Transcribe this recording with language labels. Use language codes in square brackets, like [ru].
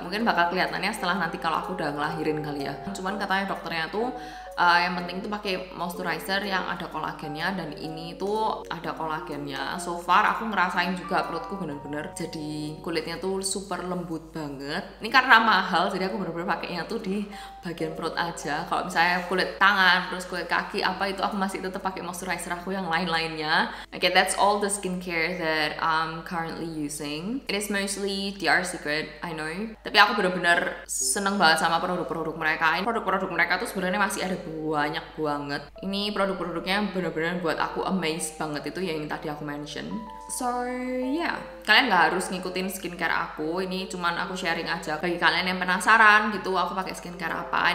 [id] Mungkin bakal kelihatannya setelah nanti kalau aku udah ngelahirin kali ya. Cuman katanya dokternya tuh yang penting tuh pakai moisturizer yang ada kolagennya, dan ini tuh ada kolagennya. So far aku ngerasain juga perutku bener-bener jadi kulitnya tuh super lembut banget. Ini karena mahal jadi aku bener-bener pakainya tuh di bagian perut aja. Kalau misalnya kulit tangan terus kulit kaki apa itu, aku masih tetap pakai moisturizer aku yang lain-lainnya. [en] Okay, that's all the skincare that I'm currently using. It is mostly DR Secret, I know. [id] Tapi aku bener-bener seneng banget sama produk-produk mereka. Ini produk-produk mereka tuh sebenarnya masih ada banyak banget. Ini produk-produknya bener-bener buat aku amazed banget, itu yang tadi aku mention. So yeah, kalian nggak harus ngikutin skincare aku, ini cuman aku sharing aja bagi kalian yang penasaran gitu aku pakai skincare apa.